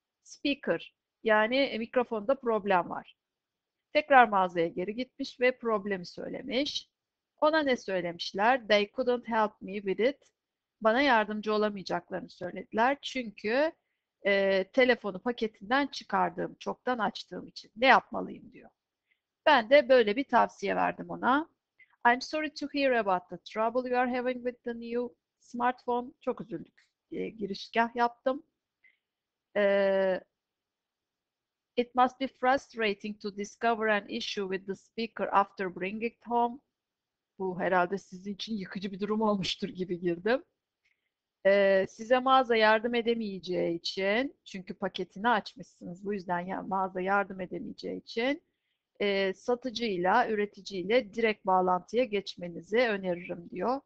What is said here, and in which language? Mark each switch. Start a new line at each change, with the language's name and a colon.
Turkish: Speaker yani mikrofonda problem var. Tekrar mağazaya geri gitmiş ve problemi söylemiş. Ona ne söylemişler?
English: They couldn't help me with it.
Turkish: Bana yardımcı olamayacaklarını söylediler. Çünkü telefonu paketinden çıkardığım, çoktan açtığım için ne yapmalıyım diyor. Ben de böyle bir tavsiye verdim ona.
English: I'm sorry to hear about the trouble you are having with the new smartphone.
Turkish: Çok üzüldük. Girişgah yaptım.
English: It must be frustrating to discover an issue with the speaker after bringing it home.
Turkish: Bu herhalde sizin için yıkıcı bir durum olmuştur gibi girdim. Size mağaza yardım edemeyeceği için, çünkü paketini açmışsınız, bu yüzden ya mağaza yardım edemeyeceği için satıcıyla, üreticiyle direkt bağlantıya geçmenizi öneririm diyor.